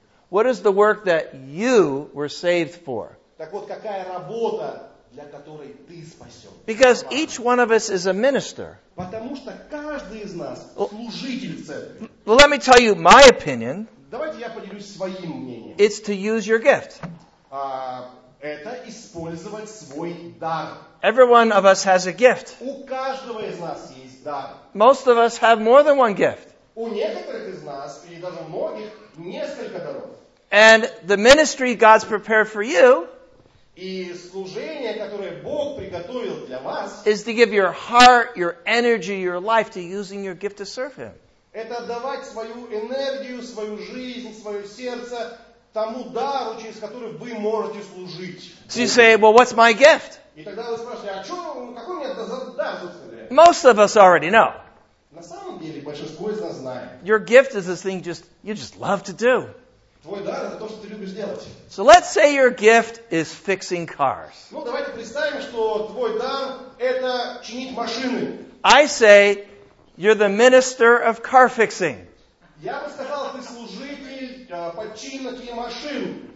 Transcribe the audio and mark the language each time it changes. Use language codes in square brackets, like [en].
[en] What is the work that you were saved for? [ru] Так вот, какая работа, для которой ты спасен? [en] Because each one of us is a minister. [ru] Потому что каждый из нас служитель церкви. [en] Well, let me tell you my opinion. [ru] Давайте я поделюсь своим мнением. [en] It's to use your gift. [ru] Это использовать свой дар. [en] Every one of us has a gift. [ru] У каждого из нас есть. [en] Most of us have more than one gift. [ru] У некоторых из нас, или даже многих, несколько даров. [en] And the ministry God's prepared for you, [ru] и служение, которое Бог приготовил для вас, [en] is to give your heart, your energy, your life to using your gift to serve Him. [ru] Это отдавать свою энергию, свою жизнь, свое сердце тому дару, через который вы можете служить. [en] So you say, well, what's my gift? [ru] И тогда вы спрашиваете, а что, какой у меня дар, собственно? [en] Most of us already know. [ru] На самом деле, большинство из нас знает. [en] Your gift is this thing you just love to do. [ru] Твой дар это то, что ты любишь делать. [en] So let's say your gift is fixing cars. [ru] Ну, давайте представим, что твой дар это чинить машины. [en] I say you're the minister of car fixing. [ru] Я бы сказал, ты служитель починки машин.